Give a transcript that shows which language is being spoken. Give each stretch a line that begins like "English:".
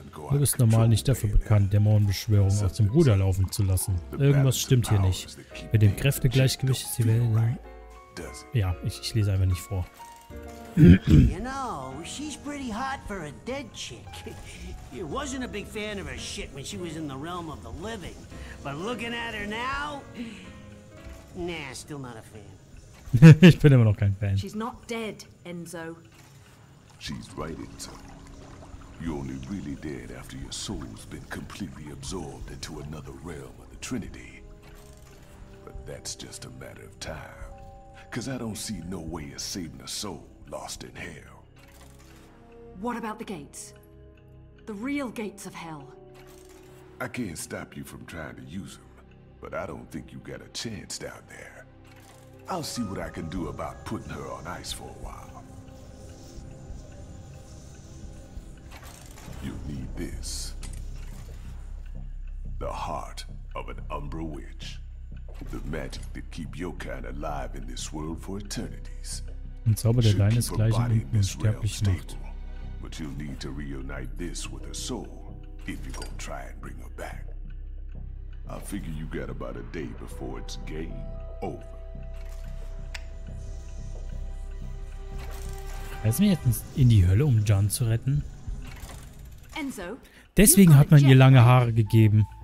German: Du bist normal nicht dafür bekannt, Dämonenbeschwörungen aus dem Ruder laufen zu lassen. Irgendwas stimmt hier nicht. Mit dem Kräftegleichgewicht ist die Welt. Ja, ich lese einfach nicht vor.
English: You know, she's pretty hot for a dead chick. You wasn't a big fan of her shit when she was in the realm of the living. But looking at her now. Nah, still not a fan.
German: Ich bin immer noch kein Fan.
English: She's not dead, Enzo. She's right, Enzo. You're only really dead after your soul's been completely absorbed into another realm of the Trinity. But that's just a matter of time. Cause I don't see no way of saving a soul lost in hell. What about the gates? The real gates of hell. I can't stop you from trying to use them, but I don't think you got a chance down there. I'll see what I can do about putting her on ice for a while. You need this. The heart of an Umbra Witch. The magic that keep your kind alive in this world for eternities.
German: Ein Zauber, der deinesgleichen unten sterblich macht.
English: But you'll need to reunite this with her soul, if you're gonna try and bring her back. I figure you got about a day before it's game over.
German: Reisen wir jetzt in die Hölle, um John zu retten? Enzo, deswegen hat man ihr lange Haare gegeben.